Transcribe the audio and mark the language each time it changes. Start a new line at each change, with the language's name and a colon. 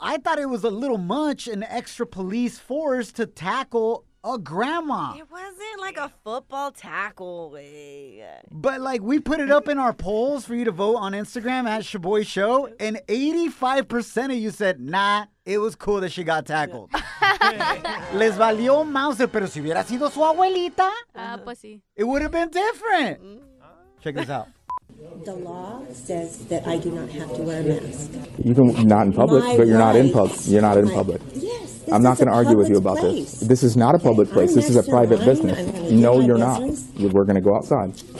English: I thought it was a little much, an extra police force to tackle a grandma. It wasn't like a football tackle way. But like we put it up in our polls for you to vote on Instagram at Shaboy Show, and 85% of you said, nah, it was cool that she got tackled.
Spanish: Les valió mouse, pero si hubiera sido su abuelita, pues sí.
English: It would have been different. Check this out. The law says that I do not have to wear a mask. You can not in public, but you're not in public. You're not in public. Yes. I'm not going to argue with you about this. This is not a public place. This is a private business. No, you're not. We're going to go outside.